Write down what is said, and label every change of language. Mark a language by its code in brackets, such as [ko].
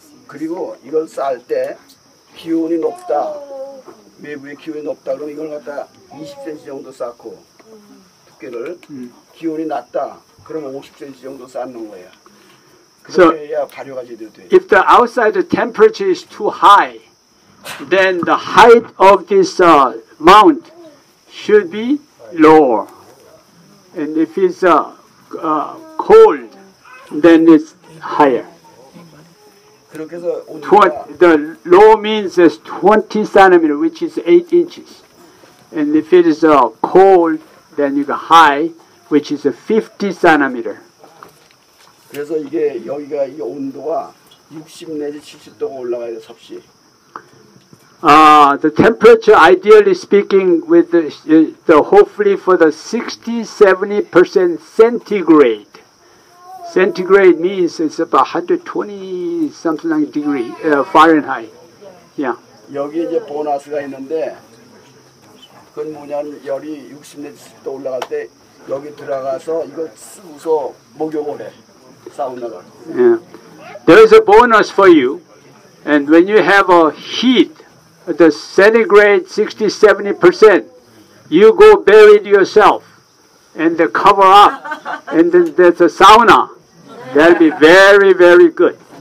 [ko] 그리고 이걸 쌀 때 기온이 높다, 외부의 기온이 높다, 그럼 이걸 갖다 20cm 정도 쌓고 두께를 기온이 낮다, 그럼 50cm 정도 쌓는 거야. 그래야 발효가 제대로 돼. [en] If the outside the temperature is too high, then the height of this mound should be lower, and if it's cold, then it's higher. The low means is 20 centimeter, which is 8 inches, and if it is cold, then you go high, which is 50 centimeter. [ko] 그래서 이게 여기가 이 온도가 60 내지 70도가 올라가야 돼, 섭씨. [en] The temperature, ideally speaking, with the hopefully for the 60-70% centigrade. Centigrade means it's about 120 something like degree Fahrenheit. Yeah. [ko] 여기 이제 보너스가 있는데 그건 뭐냐면 열이 60 내지 70도 올라갈 때 여기 들어가서 이걸 쓰고서 목욕을 해 사우나가. [en] Yeah. There is a bonus for you, and when you have a heat. The centigrade 60-70%, you go bury yourself and the cover up, and then there's a sauna. That'll be very, very good.